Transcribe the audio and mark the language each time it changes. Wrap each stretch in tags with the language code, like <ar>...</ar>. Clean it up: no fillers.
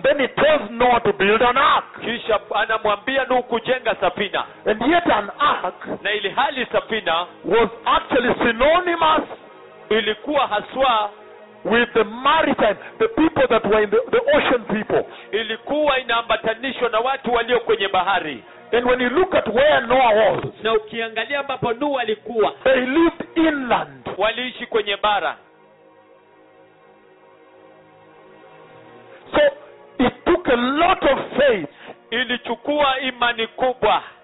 <en>Then he tells Noah to build an ark.</en> <sw>Kisha anamwambia Nuhu kujenga safina.</sw> <en>And yet an ark.</en> <sw>Na ile hali safina</sw> <en>was actually synonymous,</en> <sw>ilikuwa haswa,</sw> <en>with the maritime, the people that were in the ocean people.</en> <sw>Ilikuwa inaambatanishwa na watu walio kwenye bahari.</sw> <en>And when you look at where Noah was,</en> <sw>na ukiangalia ambapo Noah alikuwa,</sw> <en>they lived inland,</en> <sw>waliishi kwenye bara.</sw> <en>took a lot of faith.</en> <sw>Ilichukua imani kubwa.</sw>